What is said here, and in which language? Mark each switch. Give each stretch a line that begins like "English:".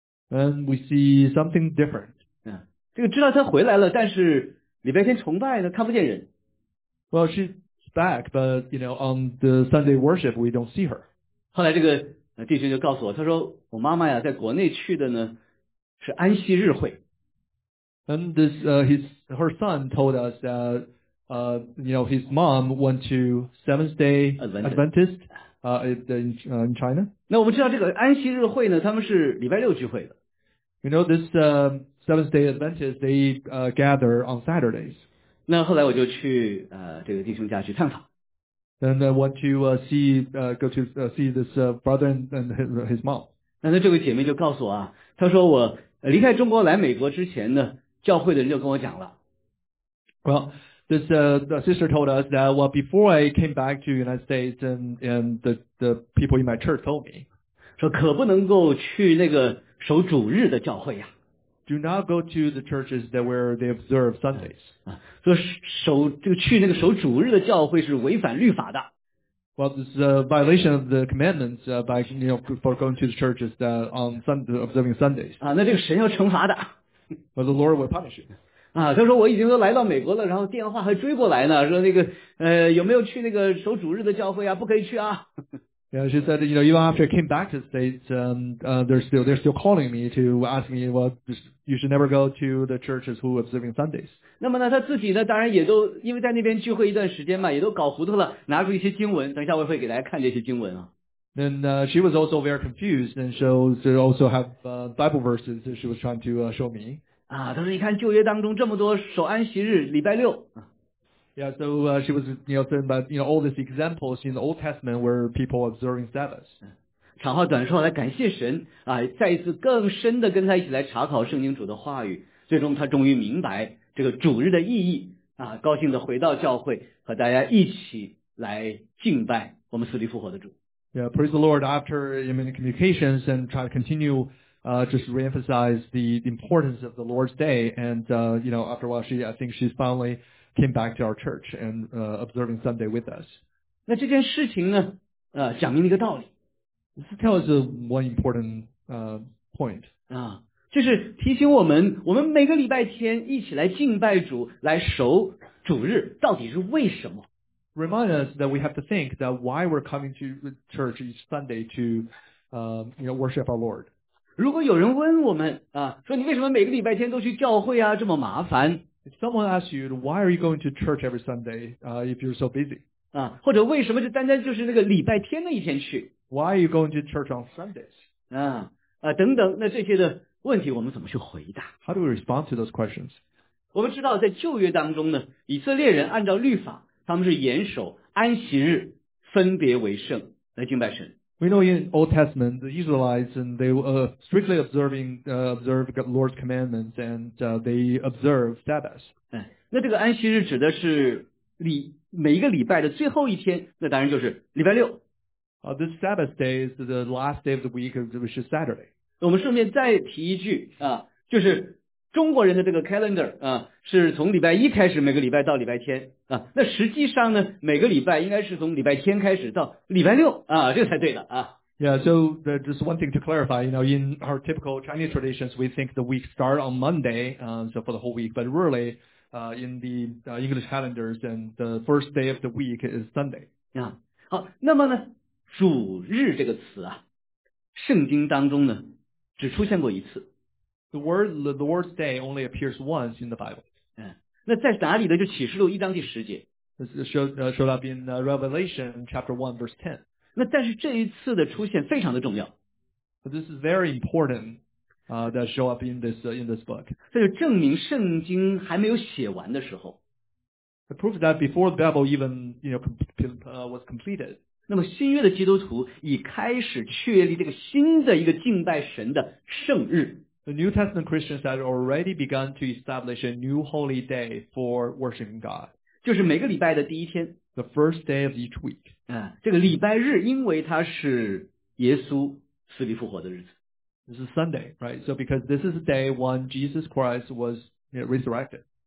English: And we see something different.
Chinese: 这个知道她回来了但是礼拜天崇拜呢看不见人。
English: Well, she's back, but, you know, on the Sunday worship, we don't see her.
Chinese: 后来这个弟兄就告诉我他说我妈妈呀在国内去的呢是安息日会。
English: And this, her son told us that, you know, his mom went to Seventh Day Adventist, in China.
Chinese: 那我们知道这个安息日会呢他们是礼拜六聚会的。
English: You know, this, Seventh Day Adventist, they, gather on Saturdays.
Chinese: 那后来我就去这个弟兄家去探访。
English: And I want to see this brother and his mom.
Chinese: 那这位姐妹就告诉我啊她说我离开中国来美国之前呢教会的人就跟我讲了。
English: Well, this, the sister told us that, well, before I came back to the United States and the people in my church told me.
Chinese: 说可不能够去那个守主日的教会啊。
English: Do not go to the churches that where they observe Sundays.
Chinese: 说守这个去那个守主日的教会是违反律法的。
English: Well, this is a violation of the commandments by, you know, for going to the churches that on Sunday, observing Sundays.
Chinese: 啊，那这个神要惩罚的。
English: But the Lord will punish you.
Chinese: 啊，他说我已经都来到美国了，然后电话还追过来呢，说那个有没有去那个守主日的教会啊？不可以去啊。
English: Yeah, she said, you know, even after I came back to the States, they're still calling me to ask me, well, you should never go to the churches who are observing Sundays.
Chinese: 那么呢，他自己呢，当然也都因为在那边聚会一段时间嘛，也都搞糊涂了，拿出一些经文，等一下我会给大家看这些经文啊。
English: Then she was also very confused, and so she also have Bible verses that she was trying to show me.
Chinese: 啊，他说你看旧约当中这么多守安息日，礼拜六。
English: Yeah, so she was, you know, saying about, you know, all these examples in the Old Testament where people observing Sabbath.
Chinese: 长话短说，来感谢神啊！再一次更深的跟他一起来查考圣经主的话语，最终他终于明白这个主日的意义啊！高兴的回到教会，和大家一起来敬拜我们死里复活的主。
English: Yeah, praise the Lord. After many communications and try to continue, just reemphasize the importance of the Lord's Day. And you know, after a while, she's finally. Came back to our church and observing Sunday with us.
Chinese: 那这件事情呢，讲明了一个道理。
English: This tells one important point.
Chinese: 啊，就是提醒我们，我们每个礼拜天一起来敬拜主，来守主日，到底是为什么
English: ？Remind us that we have to think that why we're coming to church each Sunday to, you know, worship our Lord.
Chinese: 如果有人问我们啊，说你为什么每个礼拜天都去教会啊，这么麻烦？
English: If someone asks you, why are you going to church every Sunday, if you're so busy?
Chinese: 啊，或者为什么就单单就是那个礼拜天那一天去
English: ？Why are you going to church on Sundays?
Chinese: 啊，等等，那这些的问题我们怎么去回答
English: ？How do we respond to those questions?
Chinese: 我们知道在旧约当中呢，以色列人按照律法，他们是严守安息日，分别为圣来敬拜神。
English: We know in Old Testament, the Israelites, and they were strictly observe the Lord's commandments, and they observe Sabbath.
Chinese: 那这个安息日指的是每一个礼拜的最后一天，那当然就是礼拜六。
English: This Sabbath day is the last day of the week, which is Saturday.
Chinese: 我们顺便再提一句啊，就是中国人的这个 calendar 啊，是从礼拜一开始每个礼拜到礼拜天啊。那实际上呢，每个礼拜应该是从礼拜天开始到礼拜六啊，这才对的啊。
English: Yeah, so just one thing to clarify, you know, in our typical Chinese traditions, we think the week start on Monday, so for the whole week. But really, in the English calendars, and the first day of the week is Sunday.
Chinese: 啊，好，那么呢，主日这个词啊，圣经当中呢，只出现过一次。
English: The Lord's Day only appears once in the Bible.
Chinese: 那在哪里呢？就启示录一章第十节。
English: This is showed up in Revelation chapter 1 verse 10.
Chinese: 那但是这一次的出现非常的重要。
English: But this is very important, that show up in this book.
Chinese: 这就证明圣经还没有写完的时候。
English: The proof is that before the Bible even, you know, was completed.
Chinese: 那么新约的基督徒已开始确立这个新的一个敬拜神的圣日。
English: The New Testament Christians had already begun to establish a new holy day for worshiping God.
Chinese: 就是每个礼拜的第一天。
English: The first day of each week.
Chinese: 这个礼拜日因为它是耶稣死里复活的日子。
English: This is Sunday, right? So because this is the day when Jesus Christ was resurrected.